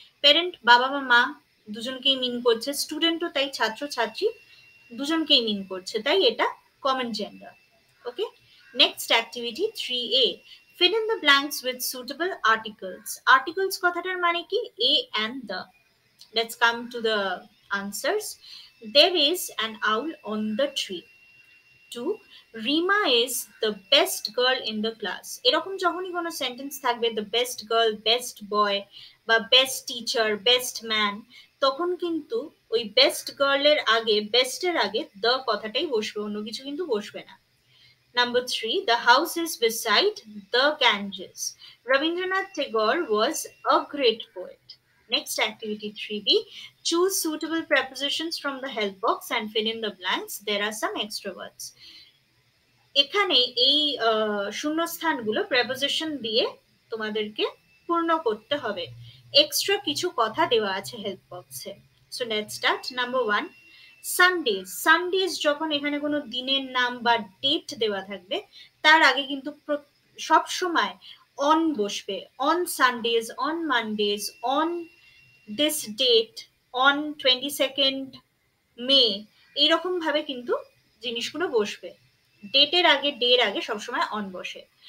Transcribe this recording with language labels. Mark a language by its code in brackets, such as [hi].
[bn] Parent বাবা বা মা দুজনকেই মিন করছে, স্টুডেন্টও তাই ছাত্র ছাত্রী দুজনকেই মিন করছে, তাই এটা common gender. [en] Okay, next activity 3A, fill in the blanks with suitable articles. Articles [bn] কথাটার মানে কি, [en] A and the. Let's come to the answers, there is an owl on the tree. 2, Rima is the best girl in the class. [bn] এরকম যখনই কোনো sentence থাকবে, the best girl, best boy বা best teacher, best man, তখন কিন্তু ওই best গার্লের আগে, বেস্টের আগে দ্য কথাটাই বসবে, অন্য কিছু কিন্তু বসবে না। [en] Number 3, the house is beside the Ganges, Rabindranath Tagore was a great poet. Next activity 3B, choose suitable prepositions from the help box and fill in the blanks. There are some extra words. [bn] এখানে এই শূন্যস্থানগুলো preposition দিয়ে তোমাদেরকে পূর্ণ করতে হবে, extra কিছু কথা দেওয়া আছে হেল্প বক্সে। [en] So let's start. [bn] Number 1, Sundays. Sundays যখন এখানে কোনো দিনের নাম বা ডেট দেওয়া থাকবে, তার আগে কিন্তু সব সময় অন বসবে, on Sundays, on মানডেজ, on this date, on 22nd May, এইরকম ভাবে কিন্তু জিনিসগুলো বসবে, ডেটের আগে ডের আগে সবসময় অন বসে।